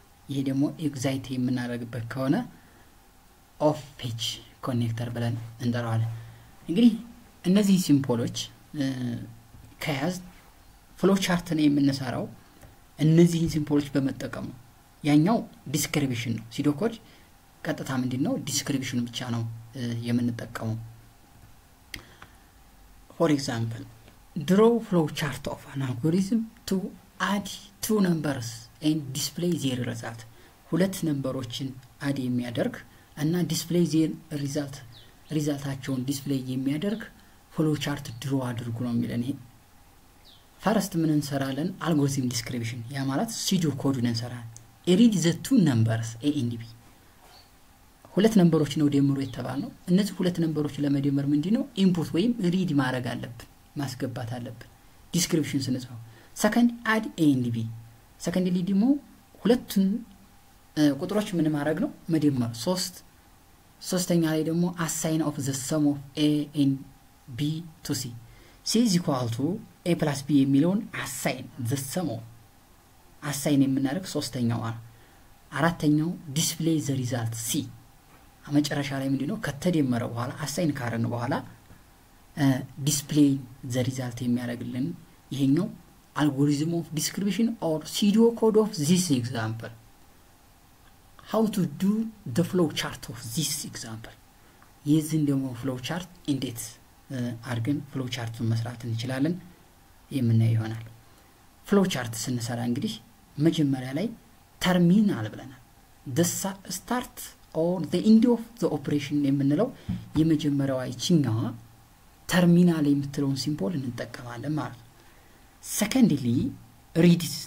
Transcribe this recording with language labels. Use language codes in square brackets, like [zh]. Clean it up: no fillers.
[am] ይሄ ደግሞ exit የምናደርግበት ከሆነ off page connector ብለን እንጠራዋለን። እንግዲህ እነዚህ ሲምፖሎች ከያዝ flow chart ነው የምንሰራው እነዚህ ሲምፖሎች በመጠቀም ያኛው description ነው። pseudocode ቀጥታ ምንድነው description ብቻ ነው የምንጠቀመው። [en] For example, draw flow chart of an algorithm to add two numbers and display their result. [am] ሁለት ነምበሮችን አድ የሚያደርግ እና [en] display their result [am] resultአቸውን display የሚያደርግ flow chart draw አድርጉ ነው የሚለን። First ምን እንሰራለን? [en] Algorithm description [am] ያ ማለት pseudocode ነን እንሰራለን። [en] Read the two numbers a and b. [am] ሁለት ነምበሮች ነው ደምሮ የተባለው። እነዚህ ሁለት ነምበሮች ለመደመር ምንድነው input ወይም read ማድረግ አለብን ማስገባት አለብን description ስንጽፍ። [en] Second add a and b. [am] secondly ደግሞ ሁለቱን ቁጥሮች ምን ማድረግ ነው መደመር 3 ሶስተኛ ላይ ደግሞ [en] assign of the sum of a and b to c. c is equal to a plus b የሚለውን assign the sum of assign የምናደርግ ሶስተኛው አለ። አራተኛው display the result c [am] አመጨረሻ ላይ ምንድነው ከተደመረ በኋላ [en] assign ካረን በኋላ display the result የሚያደርግልን ይሄኛው algorithm of description or pseudo code of this example. How to do the flow chart of this example? [am] የዚህን ደግሞ flow chart እንዴት አርገን flow chartን መስራት እንችላለን የምናየው ይሆናል። flow chart ስንሰራ እንግዲህ መጀመሪያ ላይ terminal ብለናል [en] the start or the end of the operation [am] የምንለው የመጀመሪያው አይቺኛው terminal የምትለውን symbol እንጠቀማለን ማለት ነው። secondly read